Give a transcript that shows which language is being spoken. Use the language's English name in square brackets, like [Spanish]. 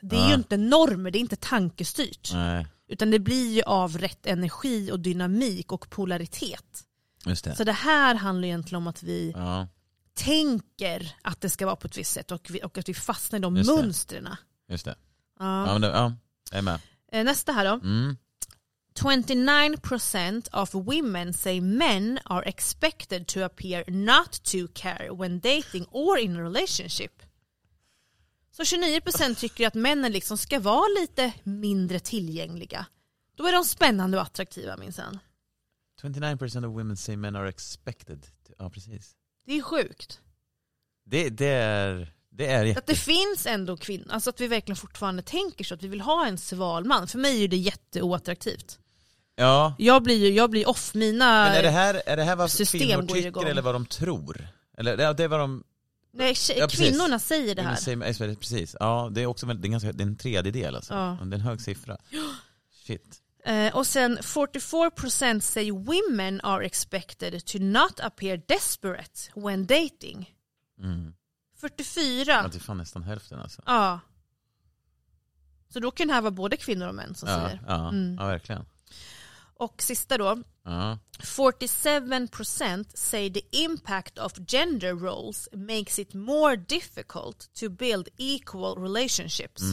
[Swedish] Det är ju inte normer, det är inte tankestyrt. Nej. Utan det blir ju av rätt energi och dynamik och polaritet. Just det. Så det här handlar egentligen om att vi tänker att det ska vara på ett visst sätt och att vi fastnar i de mönstren. Just det. Ja, jag är med. Nästa här då. Mm. [English] 29% of women say men are expected to appear not to care when dating or in a relationship. [Swedish] Så 29% tycker att männen liksom ska vara lite mindre tillgängliga. Då är de spännande och attraktiva, minns han. [English] 29% of women say men are expected to... [Swedish] Ja, precis. Det är sjukt. Det är att det finns ändå kvinnor. Alltså att vi verkligen fortfarande tänker så att vi vill ha en sval man. För mig är det jätteoattraktivt. Ja. Jag blir off mina. Men är det här vad kvinnor tycker eller vad de tror? Eller det är vad de... Nej, kvinnorna säger det här. Precis. Ja, det är också det är en tredjedel alltså. Ja. Det är en hög siffra. Shit. Och sen [English] 44% say women are expected to not appear desperate when dating. [Swedish] Mm. 44. Ja, det är fan nästan hälften alltså. Ja. Så då kan det här vara både kvinnor och män som säger. Ja, verkligen. Och sista då, [English] 47% say the impact of gender roles makes it more difficult to build equal relationships.